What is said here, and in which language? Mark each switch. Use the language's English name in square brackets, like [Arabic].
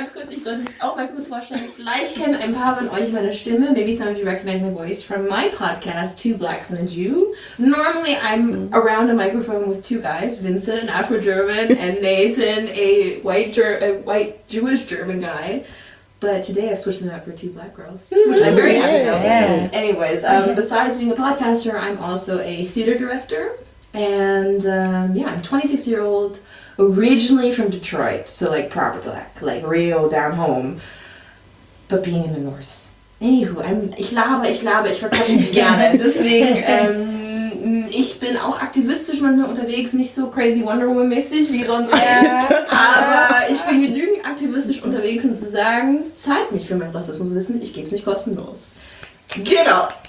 [German] ich soll mich auch mal kurz vorstellen. Vielleicht kennen ein paar von euch meine Stimme. [English] Maybe some of you recognize my voice from my podcast, Two Blacks and a Jew. Normally I'm around a microphone with two guys, Vincent, Afro-German, and Nathan, a white Jewish German guy. But today I've switched them up for two black girls, which I'm very happy about. Yeah. Anyways, besides being a podcaster, I'm also a theater director. And I'm 26-year-old. Originally from Detroit, so like proper black, like real down home, but being in the north. [German] Anywho, ich verquatsche mich gerne. Deswegen, ich bin auch aktivistisch manchmal unterwegs, nicht so crazy Wonder Woman-mäßig wie sonst, aber ich bin genügend aktivistisch unterwegs, um zu sagen, zahlt mich für mein Rassismuswissen, ich gebe es nicht kostenlos. Genau.